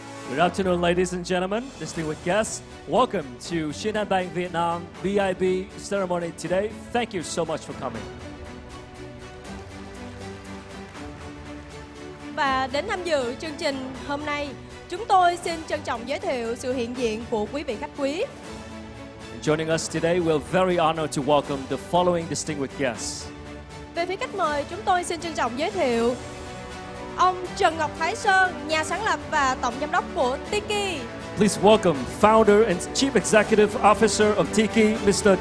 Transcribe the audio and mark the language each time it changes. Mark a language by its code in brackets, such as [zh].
[en] Good afternoon, ladies and gentlemen, distinguished guests. Welcome to Shinhan Bank Việt Nam BIB Ceremony today. Thank you so much for coming. [vi] Và đến tham dự chương trình hôm nay, chúng tôi xin trân trọng giới thiệu sự hiện diện của quý vị khách quý. [en] Joining us today, we're very honored to welcome the following distinguished guests. [vi] Về phía khách mời, chúng tôi xin trân trọng giới thiệu ông Trần Ngọc Thái Sơn, nhà sáng lập và tổng giám đốc của Tiki. [en] Please welcome founder and chief executive officer of Tiki, Mr.